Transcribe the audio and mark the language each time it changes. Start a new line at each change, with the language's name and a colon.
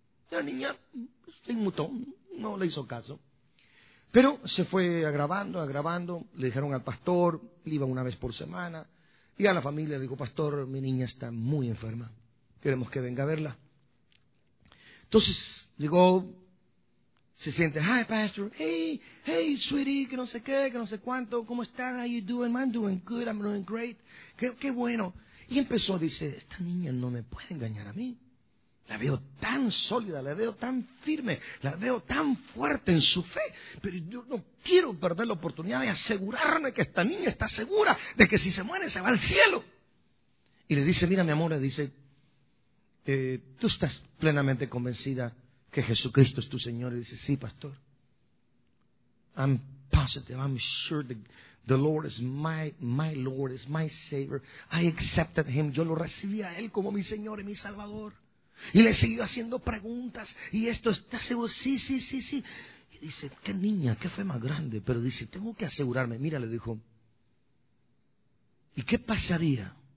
Spanish: La niña se inmutó, no le hizo caso. Pero se fue agravando, le dijeron al pastor, él iba una vez por semana, y a la familia le dijo, pastor, mi niña está muy enferma, queremos que venga a verla. Entonces llegó, se siente,
English: hi pastor, hey sweetie,
Spanish: que no sé cuánto, ¿cómo estás?
English: How you doing? I'm doing good, I'm doing great,
Spanish: qué bueno. Y empezó, dice, esta niña no me puede engañar a mí, la veo tan sólida, la veo tan firme, la veo tan fuerte en su fe, pero yo no quiero perder la oportunidad de asegurarme que esta niña está segura de que si se muere se va al cielo. Y le dice, mira mi amor, le dice, ¿tú estás plenamente convencida que Jesucristo es tu Señor? Y dice, sí, pastor.
English: I'm positive, I'm sure the Lord is my Lord, is my Savior. I accepted Him.
Spanish: Yo lo recibí a Él como mi Señor y mi Salvador. Y le siguió haciendo preguntas. Y esto, ¿estás seguro? Sí. Y dice, qué niña, qué fe más grande. Pero dice, tengo que asegurarme. Mira, le dijo, ¿y qué pasaría?